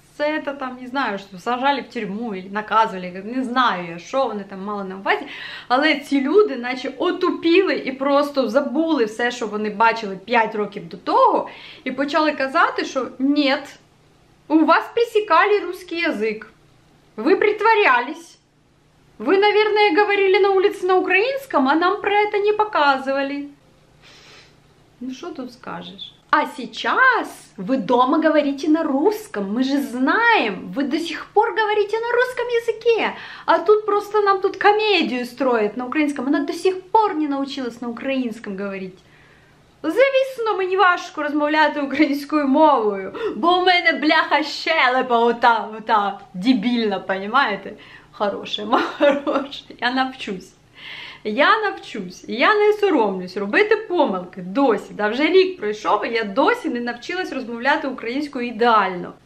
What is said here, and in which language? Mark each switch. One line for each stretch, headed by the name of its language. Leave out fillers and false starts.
Russian: все это там,
Ukrainian: не знаю, що сажали в тюрму і наказували, не знаю я, що вони там мали на увазі, але ці люди наче отупіли і просто забули все, що вони бачили 5 років до того, і почали казати, що ні, у вас
Russian: пресекали русский язык,
Ukrainian: ви притворялись.
Russian: Вы, наверное, говорили на улице на украинском, а нам про это не показывали. Ну что тут скажешь? А сейчас вы дома говорите на русском. Мы же знаем, вы до сих пор говорите на русском языке. А тут просто нам тут комедию строят на украинском. Она до сих пор не научилась на украинском говорить.
Ukrainian: Звісно, мені важко розмовляти українською мовою, бо у мене бляха щелепа ота, дебільна, понімаєте? Хороше, я навчусь, я не соромлюсь робити помилки, досі, да вже рік пройшов, і я досі не навчилась розмовляти українською ідеально.